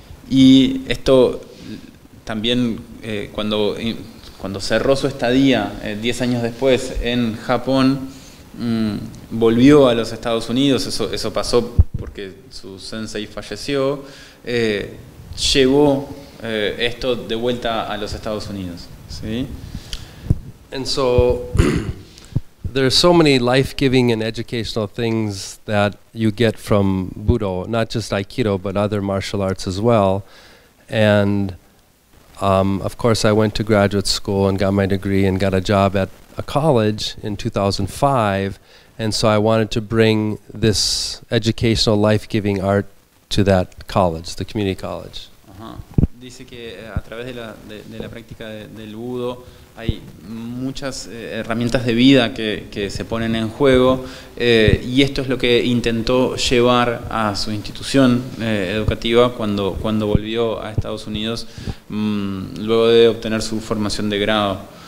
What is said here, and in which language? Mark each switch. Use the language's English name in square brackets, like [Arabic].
[Spanish] Y esto también, cuando cerró su estadía 10 años después en Japón, volvió a los Estados Unidos, eso pasó porque su sensei falleció, llevó esto de vuelta a los Estados Unidos, ¿sí? [English] And so there are so many life-giving and educational things that you get from Budo, not just Aikido but other martial arts as well. And of course I went to graduate school and got my degree and got a job at a college in 2005. And so I wanted to bring this educational, life-giving art to that college, the community college. Uh-huh. [Spanish] Dice que a través de la práctica del budo hay muchas herramientas de vida que se ponen en juego, y esto es lo que intentó llevar a su institución educativa cuando volvió a Estados Unidos luego de obtener su formación de grado.